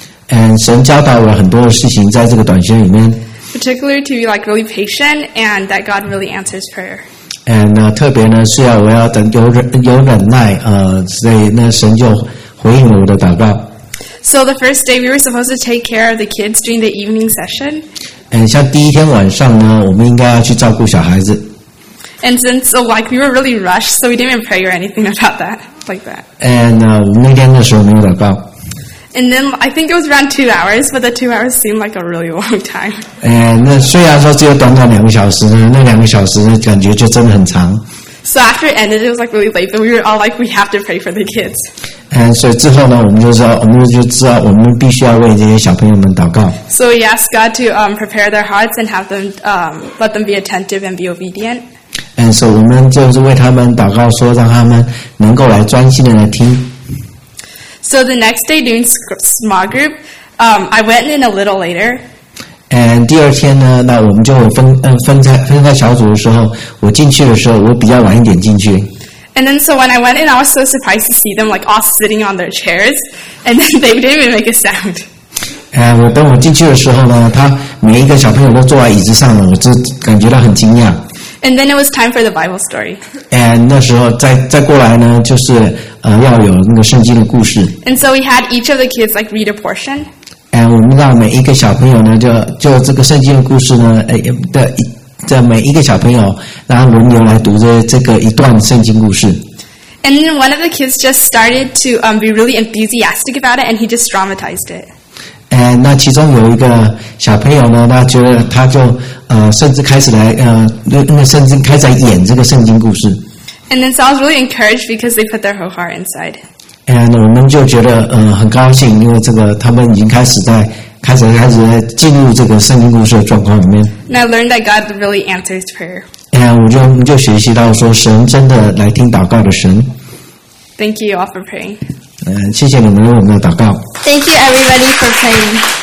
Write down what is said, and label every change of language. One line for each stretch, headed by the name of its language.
Chinese: And 神教导我很多事情在这个短宣里面。
English: Particularly to be like really patient and that God really answers prayer.
Chinese: And 特别呢是要我要等有忍耐，所以那神就回应了我的祷告。
English: So the first day we were supposed to take care of the kids during the evening session.
Chinese: And 像第一天晚上呢，我们应该要去照顾小孩子。
English: And since like we were really rushed, so we didn't even pray or anything about that, like that.
Chinese: And 我们那天的时候没有祷告。
English: And then I think it was around 2 hours, but the 2 hours seemed like a really long time.
Chinese: And 那虽然说只有短短两个小时呢，那两个小时呢感觉就真的很长。
English: So after it ended, it was like really late, but we were all like, we have to pray for the kids.
Chinese: And so 之后呢，我们就知道，我们必须要为这些小朋友们祷告。
English: So we asked God to prepare their hearts and have them let them be attentive and be obedient.
Chinese: And so 我们就是为他们祷告说，让他们能够来专心的来听。
English: So the next day during small group, I went in a little later.
Chinese: And 第二天呢，那我们就分开小组的时候，我进去的时候，我比较晚一点进去。
English: And then so when I went in, I was so surprised to see them like all sitting on their chairs, and then they didn't even make a sound.
Chinese: And 我等我进去的时候呢，他每一个小朋友都坐在椅子上了，我就感觉到很惊讶。
English: And then it was time for the Bible story.
Chinese: And 那时候再过来呢，就是要有那个圣经的故事。
English: And so we had each of the kids like read a portion.
Chinese: And 我们让每一个小朋友呢，就这个圣经的故事呢，在每一个小朋友，然后轮流来读这个一段圣经故事。
English: And then one of the kids just started to be really enthusiastic about it, and he just dramatized it.
Chinese: And 那其中有一个小朋友呢，他觉得他就甚至开始来甚至开始来演这个圣经故事。
English: And then so I was really encouraged because they put their whole heart inside.
Chinese: And 我们就觉得很高兴，因为这个他们已经开始在进入这个圣经故事的状况里面。
English: And I learned that God really answers prayer.
Chinese: And 我们就学习到说神真的来听祷告的神。
English: Thank you all for praying.
Chinese: 谢谢你们为我们的祷告。
English: Thank you everybody for praying.